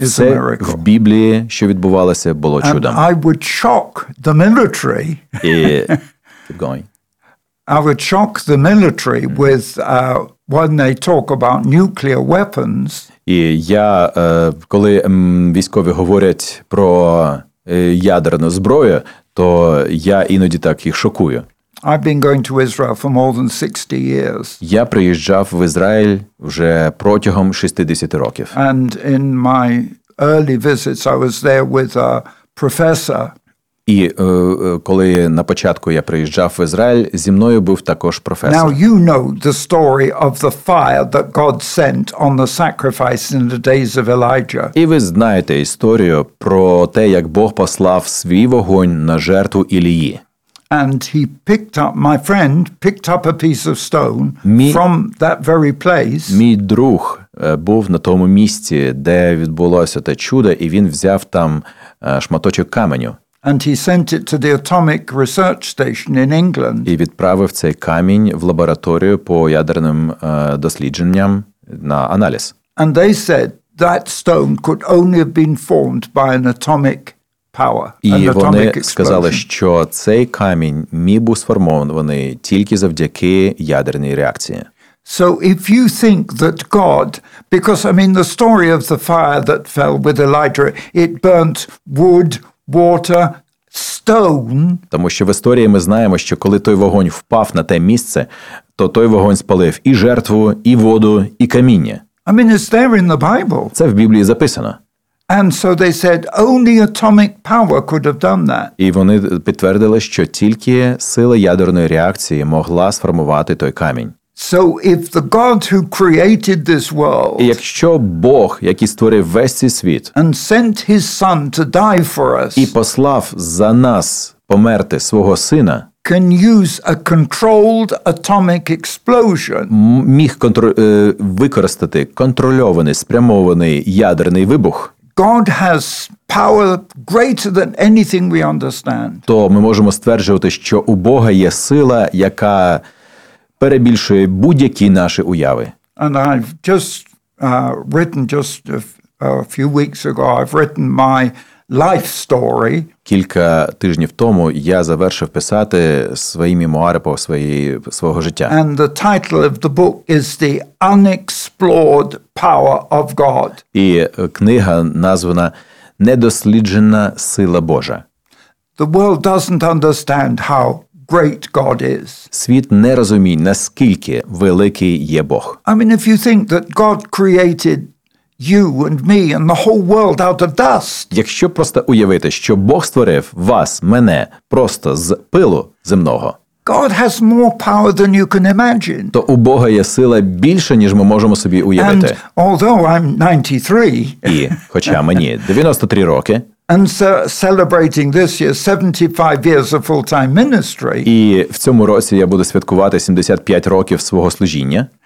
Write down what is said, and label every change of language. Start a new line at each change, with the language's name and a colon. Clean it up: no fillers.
Ukrainian: Все в Біблії, що відбувалося, було чудом.
English: I would shock the military. Keep going. I would shock the military with when they talk about nuclear weapons.
Ukrainian: І я коли військові говорять про ядерну зброю, то я іноді так їх шокую.
English: I've been going to Israel for more than 60 years.
Ukrainian: Я приїжджав в Ізраїль вже протягом 60 років.
English: And in my early visits I was there with a professor.
Ukrainian: І коли на початку я приїжджав в Ізраїль, зі мною був також професор.
English: Now you know the story of the fire that God sent on the sacrifice in the days of Elijah.
Ukrainian: І ви знаєте історію про те, як Бог послав свій вогонь на жертву Ілії.
English: And he picked up, my friend picked up a piece of stone from that very place.
Ukrainian: Мій друг був на тому місці, де відбулося те чудо, і він взяв там шматочок каменю.
English: And he sent it to the atomic research station in England.
Ukrainian: І відправив цей камінь в лабораторію по ядерним дослідженням на аналіз.
English: And they said that stone could only have been formed by an atomic power,
Ukrainian: і вони сказали, що цей камінь міг був сформований тільки завдяки ядерній реакції.
English: So if you think that God, because I mean the story of the fire that fell with Elijah, it burnt wood, water, stone.
Ukrainian: Тому що в історії ми знаємо, що коли той вогонь впав на те місце, то той вогонь спалив і жертву, і воду, і каміння.
English: I mean it's there in the Bible.
Ukrainian: Це в Біблії записано.
English: And so they said only atomic power could have done that.
Ukrainian: І вони підтвердили, що тільки сила ядерної реакції могла сформувати той камінь.
English: So if the God who created this world,
Ukrainian: і якщо Бог, який створив весь цей світ,
English: and sent his son to die for us,
Ukrainian: і послав за нас померти свого сина,
English: can use a controlled atomic explosion,
Ukrainian: міг використати контрольований спрямований ядерний вибух,
English: God has power greater than anything we understand.
Ukrainian: То ми можемо стверджувати, що у Бога є сила, яка перебільшує будь-які наші уяви.
English: And I've just written just a few weeks ago, I've written my life story.
Ukrainian: Кілька тижнів тому я завершив писати свої мемуари по свого життя.
English: And the title of the book is The Unexplored Power of God.
Ukrainian: І книга названа «Недосліджена сила Божа».
English: The world doesn't understand how great God is.
Ukrainian: Світ не розуміє, наскільки великий є Бог.
English: I mean, if you think that God created you and me and the whole world out of dust.
Ukrainian: Якщо просто уявити, що Бог створив вас, мене, просто з пилу земного.
English: God has more power than you can imagine.
Ukrainian: То у Бога є сила більше, ніж ми можемо собі уявити.
English: And although I'm 93.
Ukrainian: І хоча мені 93 роки.
English: And so celebrating this year 75 years of full-time ministry.
Ukrainian: І в цьому році я буду святкувати 75 років свого служіння.